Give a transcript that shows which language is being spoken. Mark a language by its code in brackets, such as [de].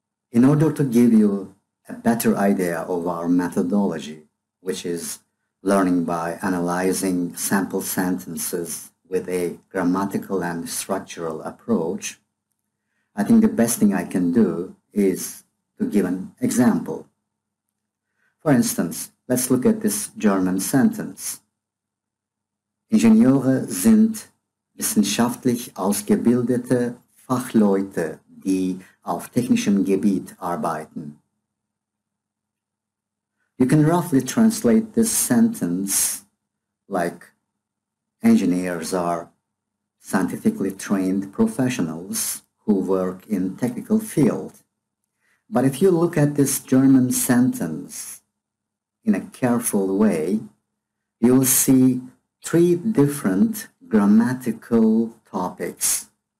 [en] In order to give you a better idea of our methodology, which is learning by analyzing sample sentences with a grammatical and structural approach, I think the best thing I can do is to give an example. For instance, let's look at this German sentence. [de] Ingenieure sind wissenschaftlich ausgebildete Fachleute, die auf technischem Gebiet arbeiten. [en] You can roughly translate this sentence like engineers are scientifically trained professionals who work in technical field. But if you look at this German sentence in a careful way, you will see three different grammatical topics.